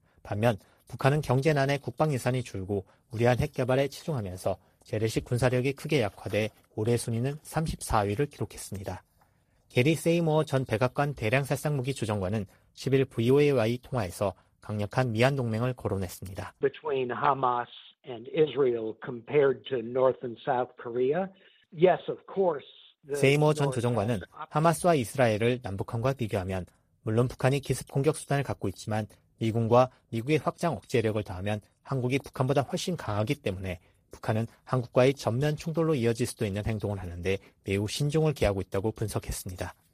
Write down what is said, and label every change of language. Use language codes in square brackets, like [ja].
[ko] 반면 북한은 경제난에 국방 예산이 줄고 우리한 핵 개발에 치중하면서 재래식 군사력이 크게 약화돼 올해 순위는 34위를 기록했습니다. 게리 세이머 전 백악관 대량살상무기 조정관은 10일 VOA와의 통화에서 강력한 미한 동맹을 거론했습니다. [en] Between Hamas and Israel compared to North and South Korea, yes, of course. [ko] 세이머 전 조정관은 하마스와 이스라엘을 남북한과 비교하면 물론 북한이 기습 공격 수단을 갖고 있지만 미군과 미국의 확장 억제력을 더하면 한국이 북한보다 훨씬 강하기 때문에 북한은 한국과의 전면 충돌로 이어질 수도 있는 행동을 하는데 매우 신중을 기하고 있다고 분석했습니다.